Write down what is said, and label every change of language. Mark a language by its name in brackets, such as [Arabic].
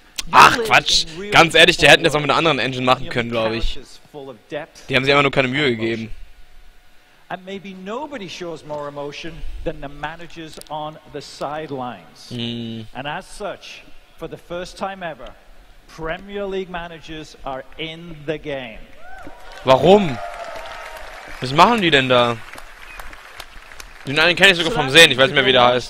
[German] Ach Quatsch, ganz ehrlich, die hätten das auch mit einer anderen Engine machen können, glaube ich. Die haben sich einfach nur keine Mühe gegeben. [English] And maybe nobody shows more emotion than the managers on the sidelines. And as such, for the first time ever, Premier League managers are in the game. [German] Warum? Was machen die denn da? Den einen kenne ich sogar vom Sehen, ich weiß nicht mehr, wie der heißt.